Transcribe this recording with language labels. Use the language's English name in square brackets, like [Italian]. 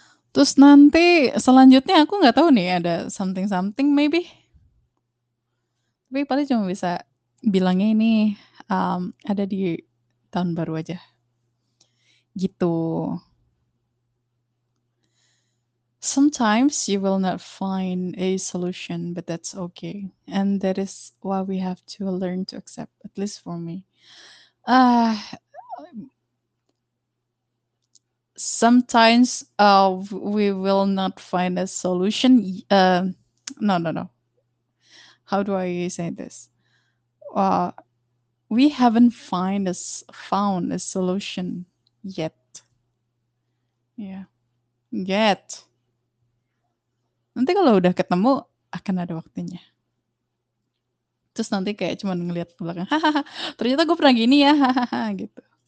[Indonesian] Terus nanti selanjutnya aku nggak tahu nih ada [English] something something maybe. [Indonesian] Tapi paling cuma bisa bilangnya ini ada di tahun baru aja. Gitu. [English] Sometimes you will not find a solution, but that's okay. And that is why we have to learn to accept, at least for me. Sometimes we will not find a solution. No. How do I say this? We haven't found a solution yet. Yeah. Yet. [Indonesian] Nanti kalau udah ketemu, akan ada waktunya. Terus nanti kayak cuman ngeliat ke belakang. Hahaha, ternyata gue pernah gini ya. Hahaha, gitu.